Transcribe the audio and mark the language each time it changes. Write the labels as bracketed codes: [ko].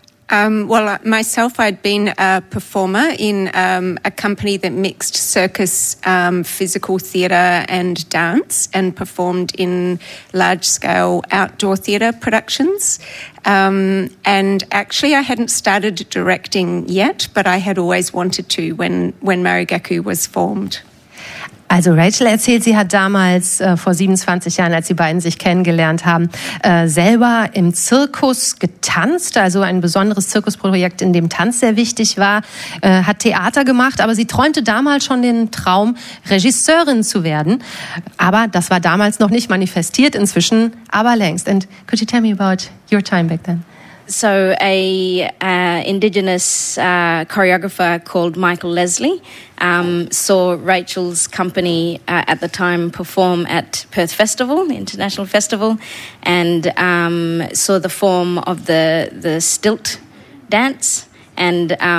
[en] Well, myself, I'd been a performer in a company that mixed circus, physical theatre and dance, and performed in large-scale outdoor theatre productions. And actually, I hadn't started directing yet, but I had always wanted to when Marogeku was formed. [de] Also Rachel erzählt, sie hat damals vor 27 Jahren, als die beiden sich kennengelernt haben, selber im Zirkus getanzt, also ein besonderes Zirkusprojekt, in dem Tanz sehr wichtig war, hat Theater gemacht, aber sie träumte damals schon den Traum, Regisseurin zu werden. Aber das war damals noch nicht manifestiert, inzwischen aber längst. [en] And could you tell me about your time back then? So a indigenous choreographer called Michael Leslie saw Rachel's company at the time perform at Perth Festival, the International Festival, and saw the form of the stilt dance, and